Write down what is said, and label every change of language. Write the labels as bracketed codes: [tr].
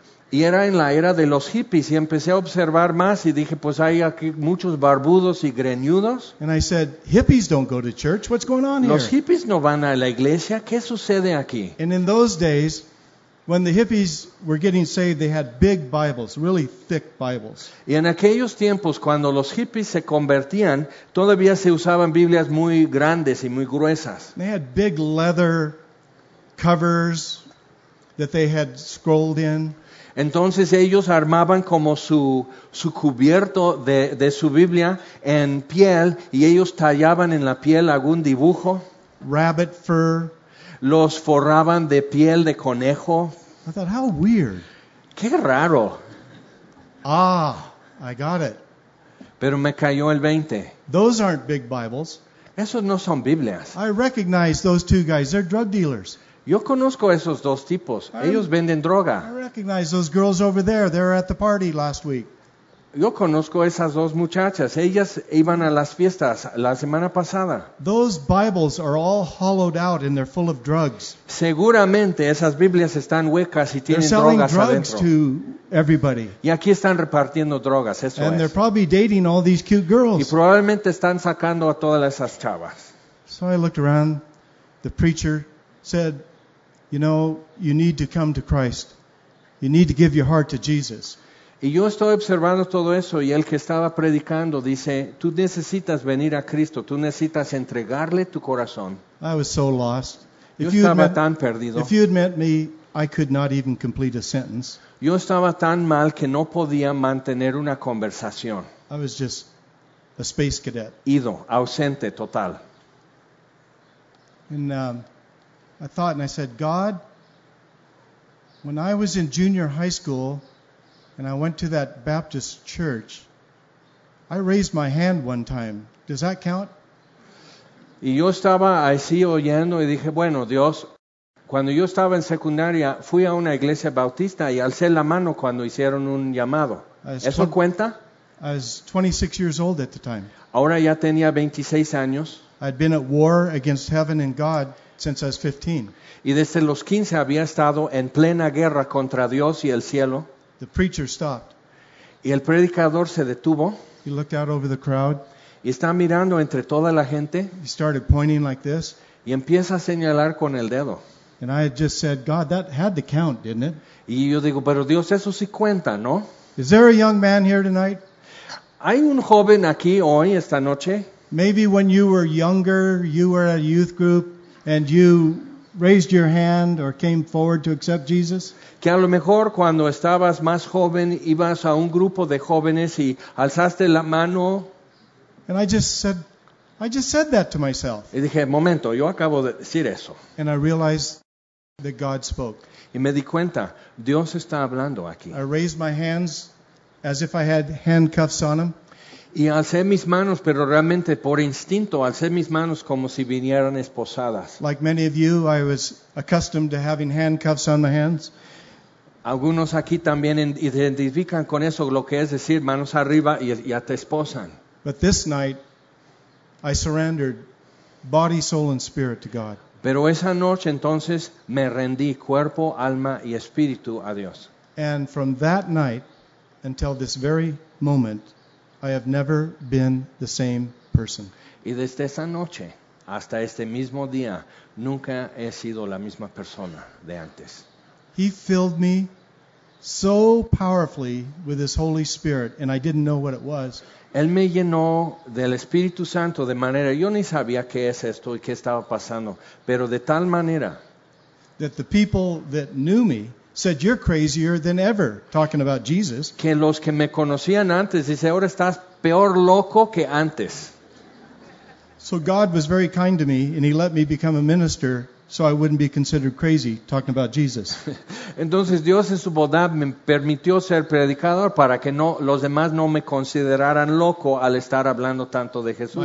[es] Y era en la era de los hippies y empecé a observar más y dije, pues hay aquí muchos barbudos y greñudos. [en] And I said, hippies don't go to church. What's going on here? [es] Los hippies no van a la iglesia. ¿Qué sucede aquí? [en] And in those days, when the hippies were getting saved, they had big Bibles, really thick Bibles. [es] Y en aquellos tiempos, cuando los hippies se convertían, todavía se usaban Biblias muy grandes y muy gruesas. [en] They had big leather covers that they had scrolled in. [es] Entonces ellos armaban como su cubierto de su Biblia en piel y ellos tallaban en la piel algún dibujo. [en] Rabbit fur. [es] Los forraban de piel de conejo. [en] I thought, how weird. [es] Qué raro. [en] Ah, I got it. [es] Pero me cayó el 20. [en] Those aren't big Bibles. [es] Esos no son Biblias. [en] I recognize those two guys. They're drug dealers. [es] Yo conozco esos dos tipos. Ellos venden droga. [en] I recognize those girls over there. They were at the party last week. [es] Yo conozco esas dos muchachas. Ellas iban a las fiestas la semana pasada. [en] Those Bibles are all hollowed out and they're full of drugs. [es] Seguramente esas Biblias están huecas y tienen drogas adentro. [en] They're selling drugs to everybody. [es] Y aquí están repartiendo drogas. Eso es. [en] And they're probably dating all these cute girls. [es] Y probablemente están sacando a todas esas chavas. [en] So I looked around. The preacher said, you know, you need to come to Christ. You need to give your heart to Jesus. [es] Y yo estoy observando todo eso y el que estaba predicando dice, tú necesitas venir a Cristo, tú necesitas entregarle tu corazón. [en] I was so lost. [es] Yo estaba tan perdido. [en] If you had met me, I could not even complete a sentence. [es] Yo estaba tan mal que no podía mantener una conversación. [en] I was just a space cadet. [es] Ido, ausente total. [en] And I thought and I said, God, when I was in junior high school and I went to that Baptist church, I raised my hand one time. Does that count? [es] Y yo estaba así oyendo y dije, bueno, Dios, cuando yo estaba en secundaria, fui a una iglesia bautista y alcé la mano cuando hicieron un llamado. ¿Eso cuenta? [en] I was 26 years old at the time. [es] Ahora ya tenía 26 años. [en] I'd been at war against heaven and God. Since I was 15. [es] Y desde los 15 había estado en plena guerra contra Dios y el cielo. [en] The preacher stopped. [es] Y el predicador se detuvo. [en] He looked out over the crowd. [es] Y está mirando entre toda la gente. [en] He started pointing like this. [es] Y empieza a señalar con el dedo. [en] And I just said, God, that had to count, didn't it? [es] Y yo digo, pero Dios, eso sí cuenta, ¿no? [en] Is there a young man here tonight? [es] ¿Hay un joven aquí hoy, esta noche? [en] Maybe when you were younger, you were at a youth group. And you raised your hand or came forward to accept Jesus? [es] Que a lo mejor cuando estabas más joven ibas a un grupo de jóvenes y alzaste la mano. [en] And I just said that to myself. [es] Y dije, momento, yo acabo de decir eso. [en] And I realized that God spoke. [es] Y me di cuenta, Dios está hablando aquí. [en] I raised my hands as if I had handcuffs on them. [es] Y alcé mis manos, pero realmente por instinto, alcé mis manos como si vinieran esposadas. [en] Like many of you, I was accustomed to having handcuffs on my hands. [es] Algunos aquí también identifican con eso lo que es decir manos arriba y ya te esposan. [en] But this night, I surrendered body, soul, and spirit to God. [es] Pero esa noche entonces me rendí cuerpo, alma y espíritu a Dios. [en] And from that night until this very moment, I have never been the same person. [es] Y desde esa noche hasta este mismo día, nunca he sido la misma persona de antes. [en] He filled me so powerfully with His Holy Spirit, and I didn't know what it was. [es] Él me llenó del Espíritu Santo de manera, yo ni sabía qué es esto y qué estaba pasando, pero de tal manera [en] that the people that knew me said, you're crazier than ever, talking about Jesus. [es] Que los que me conocían antes, dice, ahora estás peor loco que antes. [en] So God was very kind to me, and He let me become a minister, so I wouldn't be considered crazy, talking about Jesus. [es] Entonces Dios en su bondad me permitió ser predicador, para que no los demás no me consideraran loco al estar hablando tanto de Jesús.